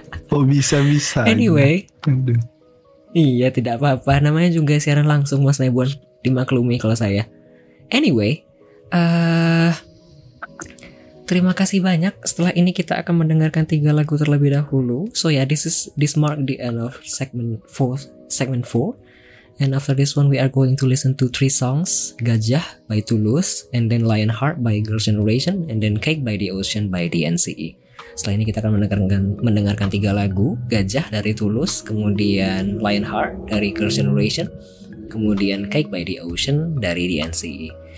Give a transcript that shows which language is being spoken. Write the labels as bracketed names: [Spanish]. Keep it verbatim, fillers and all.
[Indonesian] Oh bisa-bisa. Anyway. Aduh. Iya tidak apa-apa, namanya juga siaran langsung Mas Nebon, dimaklumi kalau saya. Anyway, uh, terima kasih banyak. Setelah ini kita akan mendengarkan tiga lagu terlebih dahulu. [English] So yeah, this is this mark the end of segment four, segment four. And after this one we are going to listen to three songs, Gajah by Tulus, and then Lionheart by Girls' Generation, and then Cake by the Ocean by the N C E. [Indonesian] Setelah ini kita akan mendengarkan, mendengarkan tiga lagu, Gajah dari Tulus, kemudian Lionheart dari Girls' Generation, kemudian Cake by the Ocean dari the N C E.